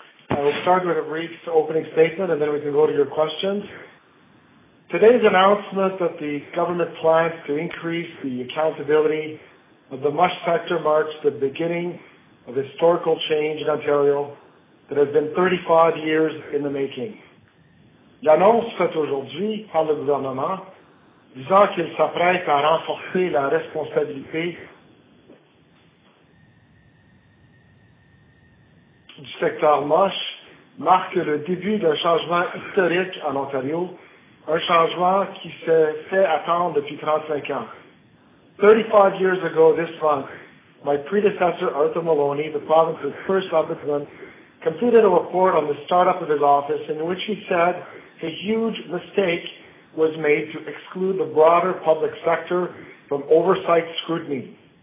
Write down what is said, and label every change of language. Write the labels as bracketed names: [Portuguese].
[English] I will start with a brief opening statement, and then we can go to your questions. Today's announcement that the government plans to increase the accountability of the MUSH sector marks the beginning of historical change in Ontario that has been 35 years in the making. [French] L'annonce faite aujourd'hui par le gouvernement disant qu'il s'apprête à renforcer la responsabilité du secteur MUSH marque le début d'un changement historique en Ontario, un changement qui s'est fait attendre depuis 35 ans. [English] 35 years ago this month, my predecessor, Arthur Maloney, the province's first ombudsman, completed a report on the startup of his office in which he said a huge mistake was made to exclude the broader public sector from oversight scrutiny.